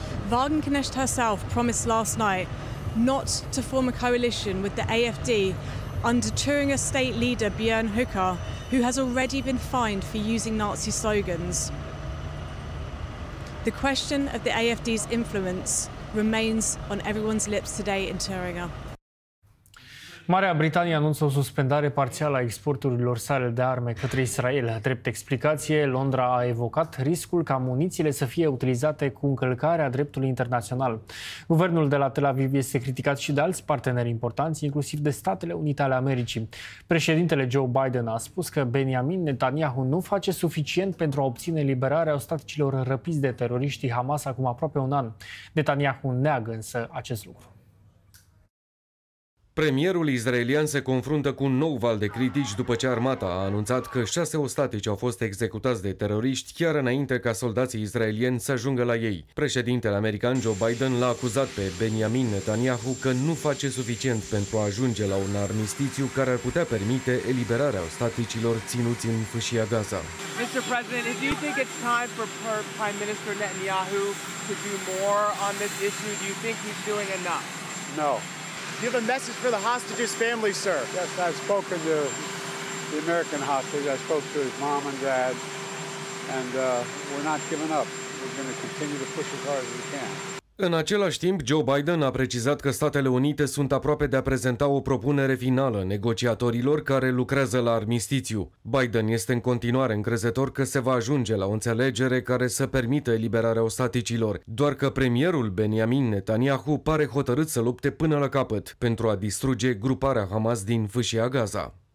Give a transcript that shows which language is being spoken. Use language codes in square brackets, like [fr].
[en] Wagenknecht herself promised last night not to form a coalition with the AfD under Thuringia state leader Björn Höcker, who has already been fined for using Nazi slogans. The question of the AfD's influence remains on everyone's lips today in Thuringia. [ro] Marea Britanie anunță o suspendare parțială a exporturilor sale de arme către Israel. Drept explicație, Londra a evocat riscul ca munițiile să fie utilizate cu încălcarea dreptului internațional. Guvernul de la Tel Aviv este criticat și de alți parteneri importanți, inclusiv de Statele Unite ale Americii. Președintele Joe Biden a spus că Benjamin Netanyahu nu face suficient pentru a obține liberarea ostaticilor răpiți de teroriștii Hamas acum aproape un an. Netanyahu neagă însă acest lucru. Premierul israelian se confruntă cu un nou val de critici după ce armata a anunțat că 6 ostatici au fost executați de teroriști chiar înainte ca soldații israelieni să ajungă la ei. Președintele american Joe Biden l-a acuzat pe Benjamin Netanyahu că nu face suficient pentru a ajunge la un armistițiu care ar putea permite eliberarea ostaticilor ținuți în fâșia Gaza. [en] Mr. President, do you think it's time for Prime Minister Netanyahu to do more on this issue? Do you think he's doing enough? No. Do you have a message for the hostages' family, sir? Yes, I've spoken to the American hostage. I spoke to his mom and dad, and we're not giving up. We're going to continue to push as hard as we can. [ro] În același timp, Joe Biden a precizat că Statele Unite sunt aproape de a prezenta o propunere finală negociatorilor care lucrează la armistițiu. Biden este în continuare încrezător că se va ajunge la o înțelegere care să permită eliberarea ostaticilor, doar că premierul Benjamin Netanyahu pare hotărât să lupte până la capăt pentru a distruge gruparea Hamas din fâșia Gaza.